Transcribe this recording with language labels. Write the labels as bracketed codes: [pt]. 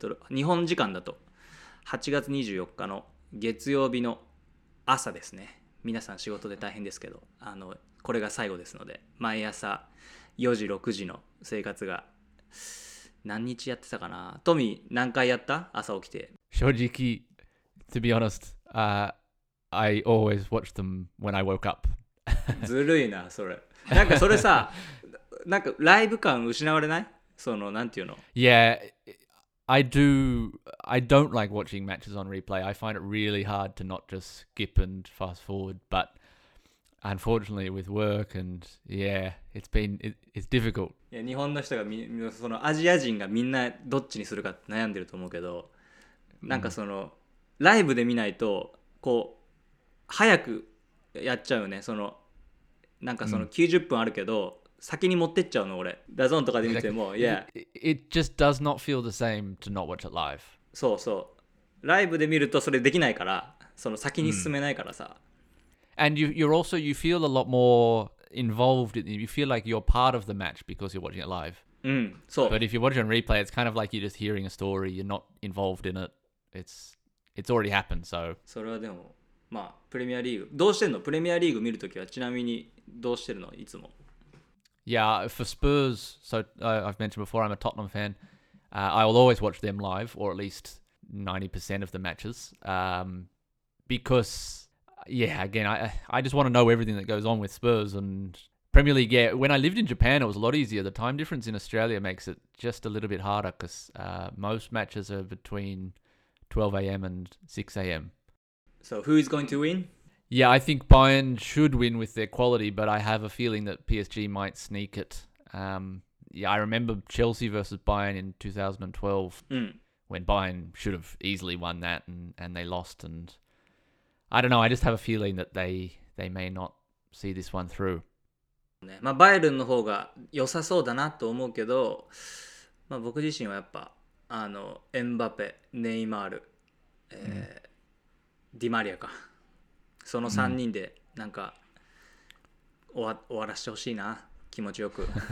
[ja] 日本時間だと8月24日の月曜日の朝ですね。皆さん仕事で大変ですけど、これが最後ですので、毎朝4時6時の生活が何日やってたかな。トミー何回やった？朝起きて。正直、 [en] to be honest, I always watch them when I woke up. [ja] ずるいなそれ。なんかそれさ、なんかライブ感失われない？そのなんていうの [en] ？Yeah, I do. I don't like watching matches on replay. I find it really hard to not just skip and fast forward. But unfortunately, with work and yeah, it's difficult. [ja] いや、日本の人がそのアジア人がみんなどっちにするか悩んでると思うけど、なんかその、ライブで見ないとこう早くやっちゃうよね。そのなんかその90分あるけど。先に持ってっちゃうの俺。ダゾンとかで見ても、いや。 [en] It just does not feel the same to not watch it live. [ja] そうそう。ライブで見るとそれできないから、その先に進めないからさ。 [en] And you're also, you feel a lot more involved in, you feel like you're part of the match because you're watching it live. [ja] うん、そう。 [en] But if you watch it on replay, it's kind of like you're just hearing a story, you're not involved in it. It's already happened, so. [ja] それはでも、まあ、プレミアリーグ。どうしてんの？プレミアリーグ見るときはちなみにどうしてるの？いつも。 [en] Yeah, for Spurs, so I've mentioned before, I'm a Tottenham fan. I will always watch them live, or at least 90% of the matches. Because, yeah, again, I just want to know everything that goes on with Spurs and Premier League. Yeah, when I lived in Japan, it was a lot easier. The time difference in Australia makes it just a little bit harder because most matches are between 12 a.m. and 6 a.m. So who is going to win? Yeah, I think Bayern should win with their quality, but I have a feeling that PSG might sneak it. Yeah, I remember Chelsea versus Bayern in 2012, when Bayern should have easily won that and they lost. And I don't know, I just have a feeling that they may not see this one through. [ja] まあ、バイエルンの方が良さそうだなと思うけど、まあ、僕自身はやっぱエンバペ、ネイマール、ディマリアか。その3人でなんか終わらせてほしいな、気持ちよく。